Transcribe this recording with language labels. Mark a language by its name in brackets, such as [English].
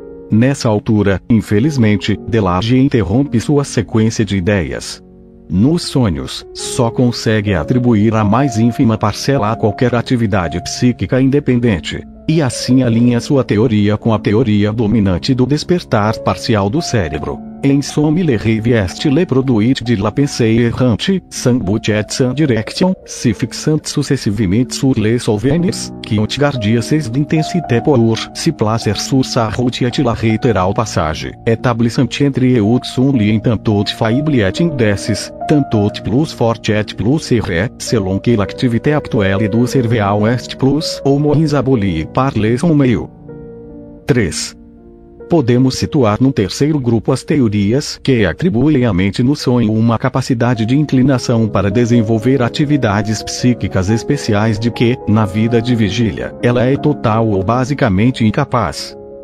[Portuguese] Nessa altura, infelizmente, Delage interrompe sua sequência de ideias. Nos sonhos, só consegue atribuir a mais ínfima parcela a qualquer atividade psíquica independente, e assim alinha sua teoria com a teoria dominante do despertar parcial do cérebro. [French] En somme le rêve est le produit de la pensée errante, sans but et sans direction, se fixant successivement sur les souvenirs, qui ont gardé ses d'intensité pour se placer sur sa route et la réitérale passage, établissant entre eux un lien tantôt faible et indécis, tantôt plus fort et plus serré, selon que l'activité actuelle du cerveau est plus ou moins abolie par les sommeils. [Portuguese] 3. Podemos situar num terceiro grupo as teorias que atribuem à mente no sonho uma capacidade de inclinação para desenvolver atividades psíquicas especiais de que, na vida de vigília, ela é total ou basicamente incapaz.